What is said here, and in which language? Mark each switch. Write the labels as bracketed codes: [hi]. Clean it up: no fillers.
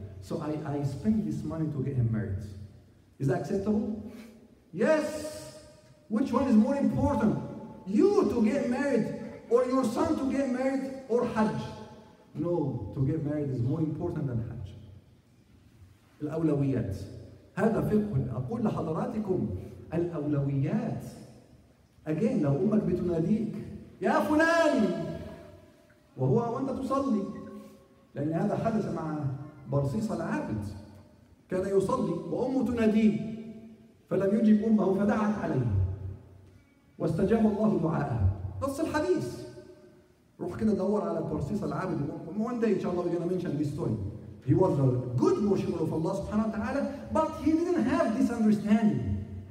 [en] So I spend this money to get him married. Is that acceptable? Yes! Which one is more important? You to get married, or your son to get married, or Hajj? No, to get married is more important than Hajj. [ar] الأولويات. هذا فقه. أقول لحضراتكم الأولويات. Again, لو أمك بتناديك يا فلان وهو وانت تصلي، لان هذا حدث مع برصيص العابد، كان يصلي وامه تناديه فلم يجب امه فدعت عليه واستجاب الله دعاءها. نص الحديث، روح كده دور على برصيص العابد [en] one day [ar] ان شاء الله بيجينا [en] Mention بيستوري. He was a good worshiper of Allah subhanahu wa ta'ala, but he didn't have this understanding.